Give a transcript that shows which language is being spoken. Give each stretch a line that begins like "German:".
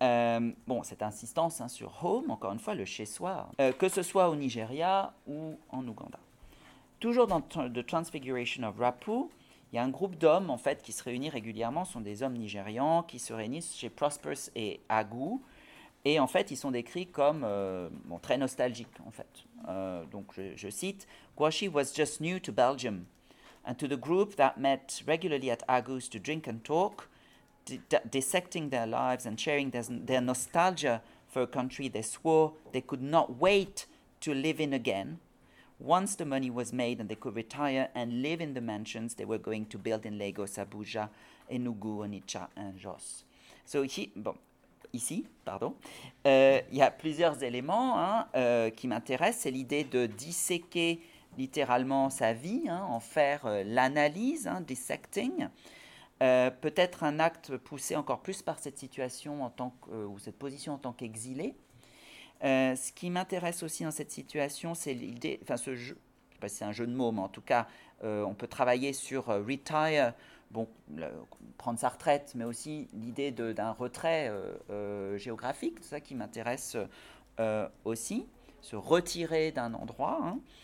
French: Bon, cette insistance hein, sur « home », encore une fois, le « chez-soi », que ce soit au Nigeria ou en Ouganda. Toujours dans « The Transfiguration of Rapu », il y a un groupe d'hommes, en fait, qui se réunit régulièrement, ce sont des hommes nigérians qui se réunissent chez Prosperous et Agu. Et en fait, ils sont décrits comme bon, très nostalgiques, en fait. Donc, je cite,
English: « Guaxi was just new to Belgium, and to the group that met regularly at Agus to drink and talk, dissecting their lives and sharing their nostalgia for a country they swore they could not wait to live in again, once the money was made and they could retire and live in the mansions they were going to build in Lagos, Abuja, Enugu, Onitsha, and Jos. »
French: So, il y a plusieurs éléments hein, qui m'intéressent. C'est l'idée de disséquer littéralement sa vie, hein, en faire l'analyse, hein, dissecting. Peut-être un acte poussé encore plus par cette situation en tant que, ou cette position en tant qu'exilé. Ce qui m'intéresse aussi dans cette situation, c'est l'idée, enfin ce jeu, je sais pas si c'est un jeu de mots, mais en tout cas, on peut travailler sur « retire », bon, prendre sa retraite, mais aussi l'idée d'un retrait géographique, c'est ça qui m'intéresse aussi, se retirer d'un endroit. Hein.